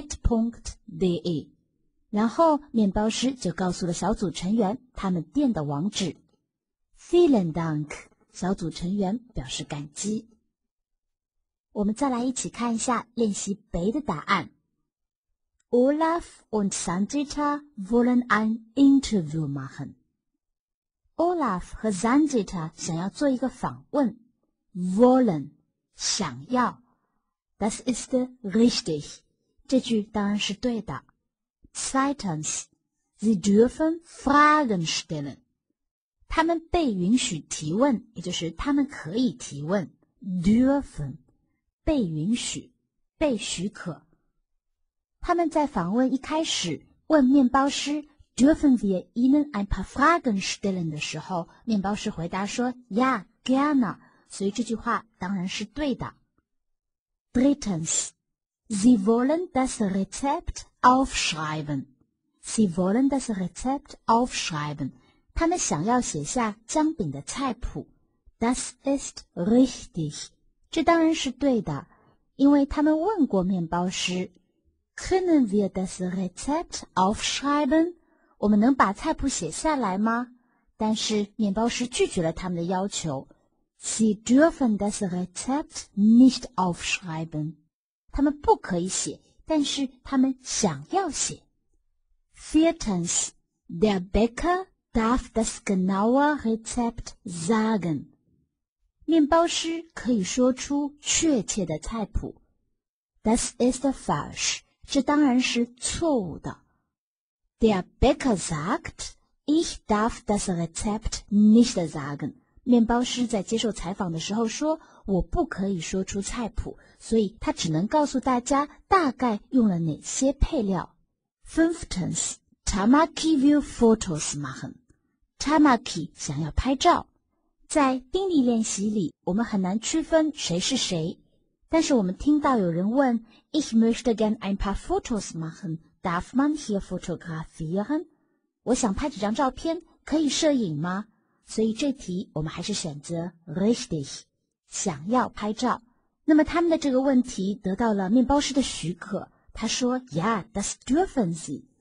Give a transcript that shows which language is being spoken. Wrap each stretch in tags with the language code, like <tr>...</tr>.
<zh>www.lebkuchen-schmidt.de 然后面包师就告诉了小组成员他们店的网址。</zh> <de>Vielen Dank，</de> <zh>小组成员表示感激。我们再来一起看一下练习 B 的答案。</zh> <de>Olaf und Sanjita wollen ein Interview machen.</de> <zh>Olaf 和 Sanjita 想要做一个访问。</zh> <de>Wollen,</de> <zh>想要。</zh> <de>Das ist richtig.</de> <zh>这句当然是对的。</zh> <de>Zweitens, sie dürfen Fragen stellen.</de> <zh>他们被允许提问，也就是他们可以提问。 Dürfen, 被允许，被许可。他们在访问一开始问面包师</zh> <de>dürfen wir Ihnen ein paar Fragen stellen</de> <zh>的时候，面包师回答说</zh> <de>ja, gerne,</de> <zh>所以这句话当然是对的。</zh> <de>Drittens, Sie wollen das Rezept aufschreiben. Sie wollen das Rezept aufschreiben.</de> <zh>他们想要写下姜饼的菜谱。</zh> <de>Das ist richtig.</de> <zh>这当然是对的，因为他们问过面包师</zh> <de>Können wir das Rezept aufschreiben?</de> <zh>我们能把菜谱写下来吗？但是面包师拒绝了他们的要求。</zh> <de>Sie dürfen das Rezept nicht aufschreiben.</de> <zh>他们不可以写，但是他们想要写。</zh> <de>Viertens, der Bäcker darf das genaue Rezept sagen.</de> <zh>面包师可以说出确切的菜谱。</zh> <de>Das ist falsch.</de> <zh>这当然是错误的。</zh> <de>Der Bäcker sagt, ich darf das Rezept nicht sagen.</de> <zh>面包师在接受采访的时候说，我不可以说出菜谱，所以他只能告诉大家大概用了哪些配料。</zh> <de>Fünftens, Tamaki will Fotos machen.</de> <zh>Tamaki 想要拍照。在听力练习里，我们很难区分谁是谁。但是我们听到有人问</zh> <de>Ich möchte gern ein paar Fotos machen. Darf man hier fotografieren?</de> <zh>我想拍几张照片，可以摄影吗？所以这题我们还是选择 Richtig, 想要拍照。那么他们的这个问题得到了面包师的许可，他说</zh> <de>Ja, das dürfen Sie.</de>